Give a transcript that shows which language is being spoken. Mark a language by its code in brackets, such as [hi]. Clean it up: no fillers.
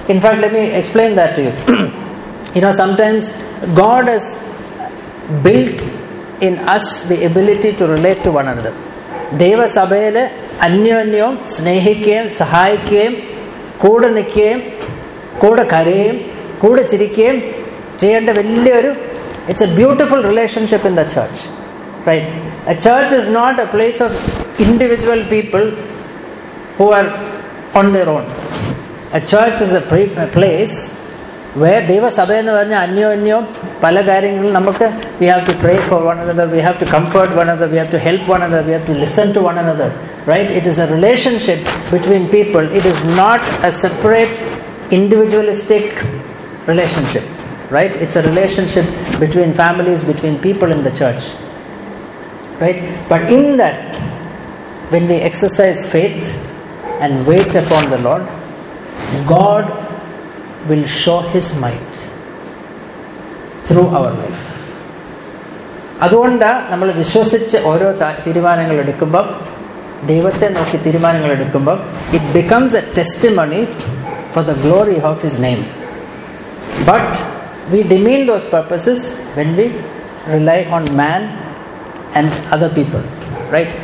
[en] In fact, let me explain that to you. You know, sometimes God has built in us the ability to relate to one another. [ml] Devasabhayile anyanyam snehikkeyam sahayikkeyam കൂടെ നിൽക്കുകയും കൂടെ കരയുകയും കൂടെ ചിരിക്കുകയും ചെയ്യേണ്ട വലിയൊരു, [en] It's a beautiful relationship in the church, right? A church is not a place of individual people who are on their own. A church is a place where [ml] ദൈവസഭ എന്ന് പറഞ്ഞാൽ അന്യോന്യവും പല കാര്യങ്ങളും നമുക്ക്, [en] We have to pray for one another, we have to comfort one another, we have to help one another, we have to listen to one another. Right? It is a relationship between people. It is not a separate individualistic relationship. Right? It's a relationship between families, between people in the church. Right? But in that, when we exercise faith and wait upon the Lord, God will show His might through our life. [ml] അതുകൊണ്ടാണ് നമ്മൾ വിശ്വസിച്ച് ഓരോ തീരുമാനങ്ങൾ എടുക്കുമ്പോൾ, ദൈവത്തെ നോക്കി തീരുമാനങ്ങൾ എടുക്കുമ്പോൾ, [en] It becomes a testimony for the glory of his name. But we demean those purposes when we rely on man and other people, right?